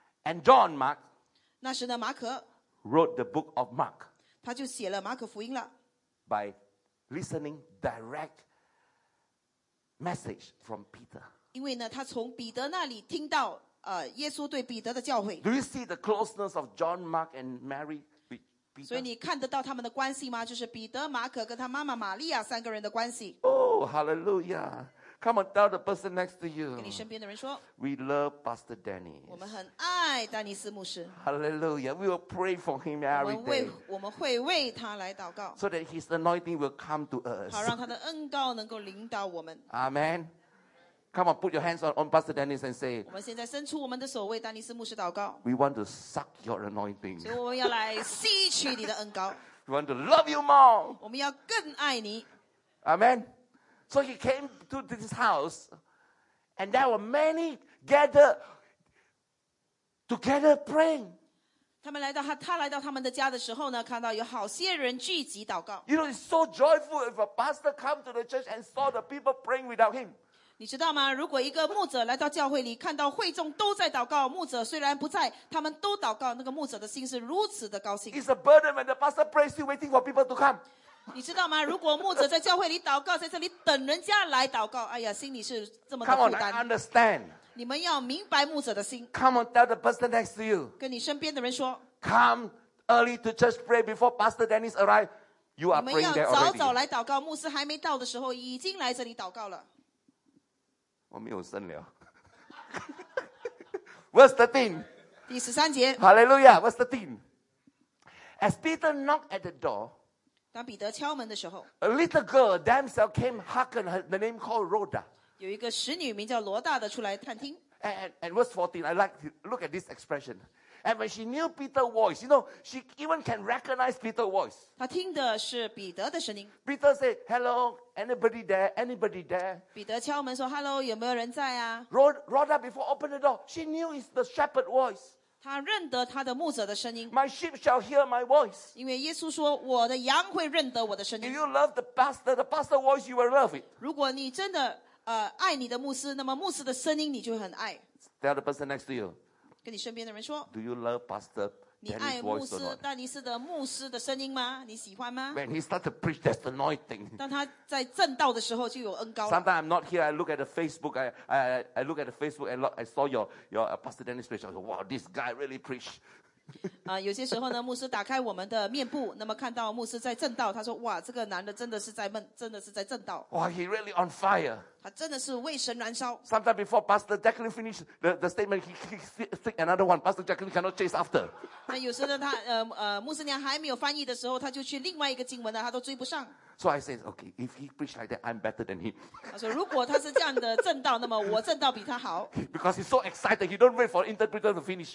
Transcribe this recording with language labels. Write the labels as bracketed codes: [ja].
[en] And John Mark. [zh] 那时的马可 [en] wrote the book of Mark. [zh] 他就写了马可福音了。 [en] By listening direct message from Peter. [zh] 因为呢，他从彼得那里听到耶稣对彼得的教诲。 [en] Do you see the closeness of John, Mark, and Mary? [zh] 所以你看得到他们的关系吗？就是彼得、马可跟他妈妈玛利亚三个人的关系。 [en] Oh, hallelujah! Come and tell the person next to you. [zh] 跟你身边的人说。 [en] We love Pastor Danny. [zh] 我们很爱丹尼斯牧师。 [en] Hallelujah! We will pray for him every day. [zh] 我们会为他来祷告。 [en] So that his anointing will come to us. [zh] 好，让他的恩膏能够领导我们。 [en] Amen. Come on, put your hands on Pastor Dennis and say, [zh] 我们现在伸出我们的手为丹尼斯牧师祷告。 [en] We want to suck your anointing. [zh] 所以我们要来吸取你的恩膏。 [en] We want to love you more. [zh] 我们要更爱你。 [en] Amen. So he came to this house, and there were many gathered together praying. [zh] 他来到他们的家的时候呢，看到有好些人聚集祷告。 [en] You know, it's so joyful if a pastor come to the church and saw the people praying without him. [zh] 你知道吗？如果一个牧者来到教会里，看到会众都在祷告，牧者虽然不在，他们都祷告，那个牧者的心是如此的高兴。 [en] It's a burden when the pastor prays, still waiting for people to come. [zh] 你知道吗？如果牧者在教会里祷告，在这里等人家来祷告，哎呀，心里是这么的负担。 [en] Come on, I understand. [zh] 你们要明白牧者的心。 [en] Come on, tell the person next to you. [zh] 跟你身边的人说。 [en] Come early to church, pray before Pastor Dennis arrive. You are praying there already. [zh] 你们要早早来祷告，牧师还没到的时候，已经来这里祷告了。我没有圣灵。 [en] Verse 13. [zh] 第十三节。 [en] Hallelujah. Verse 13. As Peter knocked at the door, [zh] 当彼得敲门的时候， [en] a little girl, damsel came hearken, the name called Rhoda. [zh] 有一个使女名叫罗大的出来探听。 [en] And verse 14, I like to look at this expression. And when she knew Peter's voice, you know, she even can recognize Peter's voice. [zh] 她听的是彼得的声音。 [en] Peter said, hello. Anybody there? Anybody there? [zh] 彼得敲门说 ：“Hello, 有没有人在啊 [en] ？”Rhoda before open the door, she knew it's the shepherd voice. [zh] 她认得他的牧者的声音。 [en] My sheep shall hear my voice. [zh] 因为耶稣说，我的羊会认得我的声音。 [en] If you love the pastor, the pastor voice, you will love it. [zh] 如果你真的爱你的牧师，那么牧师的声音你就很爱。 [en] Tell the person next to you. [zh] 跟你身边的人说。 [en] Do you love pastor? [zh] 你爱牧师丹尼斯的牧师的声音吗？你喜欢吗 [en] ？When he starts to preach, that's anointing. [zh] 当他在证道的时候，就有恩膏。 [en] Sometimes I'm not here. I look at the Facebook. I look at the Facebook and look, I saw your Pastor Dennis preach. I go, wow, this guy really preach. [zh] 有些时候呢，牧师打开我们的面部，那么看到牧师在证道，他说，哇，这个男的真的是在闷，真的是在证道。 [en] Wow, he really on fire. [zh] 他真的是为神燃烧。 [en] Sometimes before Pastor Jacqueline finishes the statement, he speak another one. Pastor Jacqueline cannot chase after. [zh] 那有时候他牧师娘还没有翻译的时候，他就去另外一个经文了，他都追不上。 [en] So I said, okay, if he preach like that, I'm better than him. [zh] 他说如果他是这样的正道，那么我正道比他好。 [en] Because he's so excited, he don't wait for interpreter to finish.